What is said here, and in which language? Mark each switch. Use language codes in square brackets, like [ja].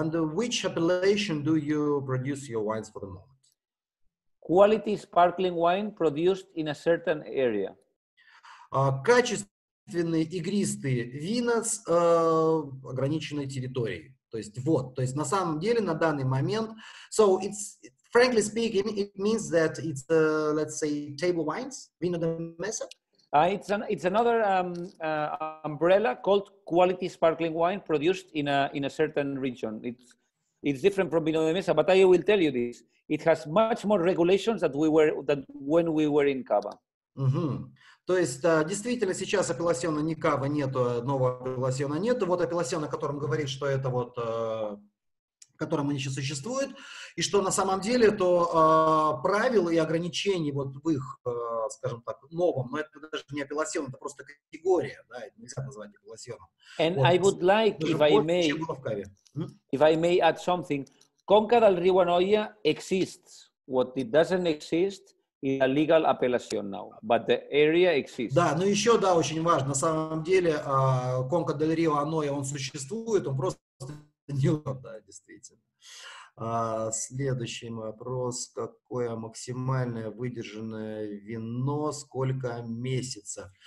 [en] under which appellation do you produce your wines for the moment? Quality sparkling wine produced in a certain area. [ru] Качественные игристые вина с ограниченной территорией. То есть вот, то есть на самом деле на данный момент. [en] So it's frankly speaking, it means that it's let's say table wines, vino de mesa. It's another umbrella called quality sparkling wine produced in a certain region. It's different from vino de mesa, but I will tell you this: it has much more regulations than when we were in cava. Mm-hmm. [ru] То есть, действительно, сейчас апелласьона не кава нету, нового апелласьона нету. Вот апелласьон, о котором говорит, что это вот, которым они сейчас существуют, и что на самом деле, то правила и ограничения вот в их, скажем так, новом, но это даже не апелласьон, это просто категория, да, это нельзя назвать апелласьоном. [en] And вот, I would like, if I may, if I may add something, Conca del Río Anoia exists. What it doesn't exist, a legal appellation now, but the area exists. [ru] Да, но еще, да, очень важно, на самом деле, Конка дель Рио Аноя, он существует, он просто не он, да, действительно. Следующий вопрос, какое максимальное выдержанное вино, сколько месяцев?